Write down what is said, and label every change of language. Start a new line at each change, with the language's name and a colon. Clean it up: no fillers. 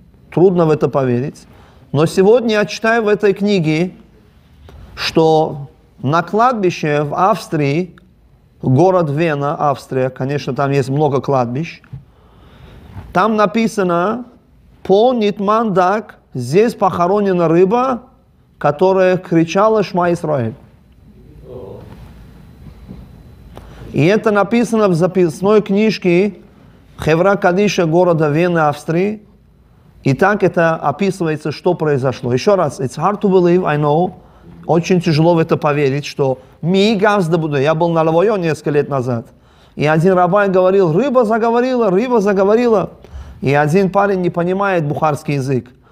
Russian: Трудно в это поверить. Но сегодня я читаю в этой книге, что на кладбище в Австрии, город Вена, Австрия, конечно, там есть много кладбищ, там написано: «По Нитмандак здесь похоронена рыба, которая кричала «Шма Исраэль». И это написано в записной книжке Хевра Кадиша города Вены, Австрии. И так это описывается, что произошло. Еще раз,
English: it's hard to believe, I know.
Russian: Очень тяжело в это поверить, что я был на Лавойо несколько лет назад. И один рабай говорил: рыба заговорила, рыба заговорила. И один парень не понимает бухарский язык.